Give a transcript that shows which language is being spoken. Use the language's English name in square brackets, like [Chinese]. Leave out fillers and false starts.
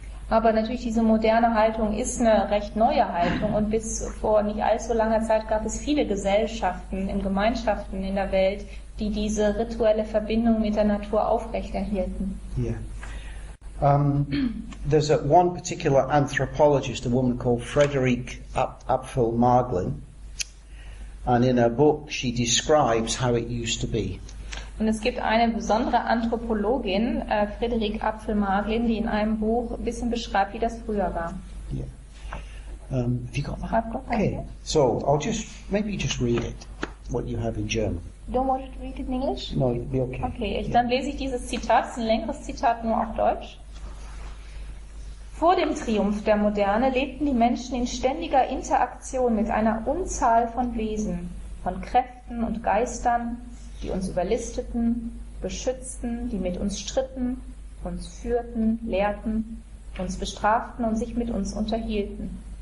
[German] Aber natürlich, diese moderne Haltung ist eine recht neue Haltung. Und bis vor nicht allzu langer Zeit gab es viele Gesellschaften in Gemeinschaften in der Welt, die diese rituelle Verbindung mit der Natur aufrechterhielten. [English] Yeah. There's one particular anthropologist, a woman called Frederike Apfel-Maglin. And in her book, she describes how it used to be. [German] Und es gibt eine besondere Anthropologin, Frederike Apfel-Maglin, die in einem Buch ein bisschen beschreibt, wie das früher war. [English] Yeah. Have you got that? I've got that. Okay. So, I'll maybe just read it, what you have in German. Don't want to read it in English? No, it'll be okay. [German] Okay, dann lese ich dieses Zitat, es ist ein längeres Zitat, nur auf Deutsch. Vor dem Triumph der Moderne lebten die Menschen in ständiger Interaktion mit einer Unzahl von Wesen, von Kräften und Geistern, die uns überlisteten, beschützten, die mit uns stritten, uns führten, lehrten, uns bestraften und sich mit uns unterhielten.